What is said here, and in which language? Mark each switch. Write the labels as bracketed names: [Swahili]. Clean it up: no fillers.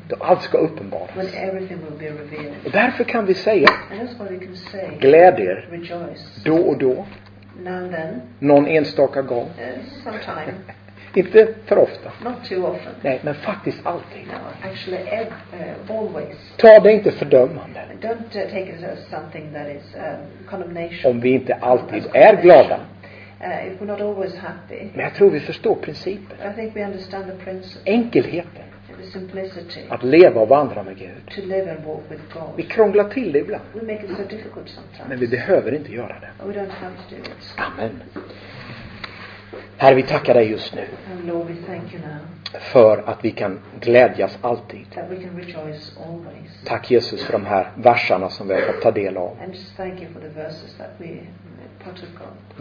[Swedish] Då allt ska uppenbaras. [English] When everything will be revealed. [Swedish] Och därför kan vi säga. [English] And that's what we can say. [Swedish] Gläder. [English] Rejoice. [Swedish] Då och då. [English] Then, [Swedish] någon enstaka gång. [English] Sometime. [Swedish] Inte för ofta. [English] Not too often. [Swedish] Nej, men faktiskt alltid. [English] No, actually, always. [Swedish] Ta det inte fördömande. [English] Don't take it as something that is condemnation. [Swedish] Om vi inte alltid är glada. [English] If we're not always happy. [Swedish] Men jag tror vi förstår principen. [English] I think we understand the principle. [Swedish] Enkelheten. [English] The simplicity. [Swedish] Att leva och vandra med Gud. [English] To live and walk with God. [Swedish] Vi krånglar till det ibland. [English] We make it so difficult sometimes. [Swedish] Men vi behöver inte göra det. [English] We don't have to do it. [Swedish] Amen. Herre, vi tackar dig just nu. [English] And Lord, we thank you now. [Swedish] För att vi kan glädjas alltid. [English] That we can rejoice always. [Swedish] Tack Jesus för de här verserna som vi har fått ta del av. [English] And just thank you for the verses that we partook of.